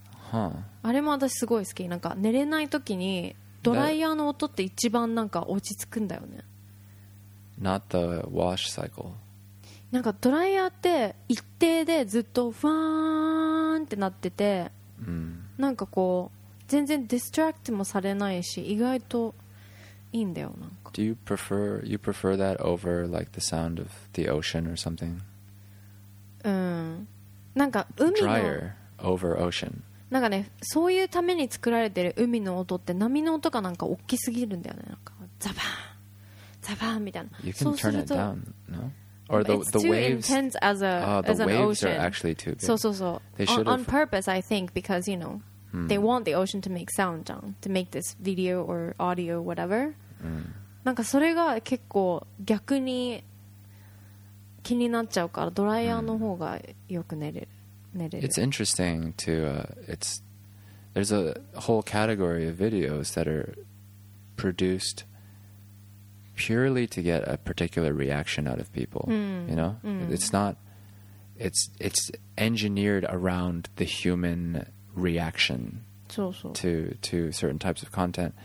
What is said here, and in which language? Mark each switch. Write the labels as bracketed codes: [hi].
[ja] あれも私すごい好き。なんか寝れない時にドライヤーの音って一番なんか落ち着くんだよね。 [en] Not the wash cycle. [ja] なんかドライヤーって一定でずっとファーンってなってて、なんかこう全然ディストラクトもされないし、意外と。いいんだよ、なんか。 [en] Do you prefer that over like the sound of the ocean or something? [ja] なんか海の [en] Dryer over ocean. [ja] なんかね、そういうために作られてる海の音って波の音がなんか大きすぎるんだよね、なんかザバーンザバーンみたいな。 [en] You can turn it down, no? Or the waves. It's too intense as an ocean. The waves are actually too big. [ja] そうそうそう。 [en] They should on purpose, I think, because you know they want the ocean to make sound, じゃん、 to make this video or audio whatever. [ja] なんかそれが結構逆に気になっちゃうからドライヤーの方がよく寝れる。 [en] It's interesting to there's a whole category of videos that are produced purely to get a particular reaction out of people. You know, it's engineered around the human reaction to certain types of content.